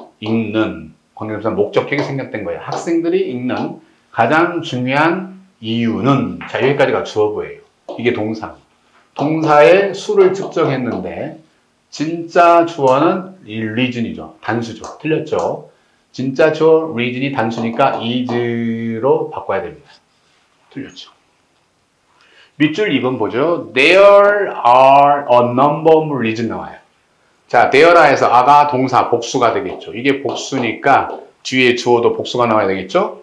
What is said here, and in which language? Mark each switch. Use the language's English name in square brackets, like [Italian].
[Korean] 읽는 관계대명사 목적격이 생략된 거예요. 학생들이 읽는 가장 중요한 이유는 자 여기까지가 주어부예요. 이게 동사. 동사의 수를 측정했는데 진짜 주어는 reason이죠. 단수죠. 틀렸죠. 진짜 주어 reason이 단수니까 is로 바꿔야 됩니다. 틀렸죠. 밑줄 2번 보죠. [English] There are a number of reasons [Korean] 나와요. 자, there에서 아가 동사 복수가 되겠죠. 이게 복수니까 뒤에 주어도 복수가 나와야 되겠죠.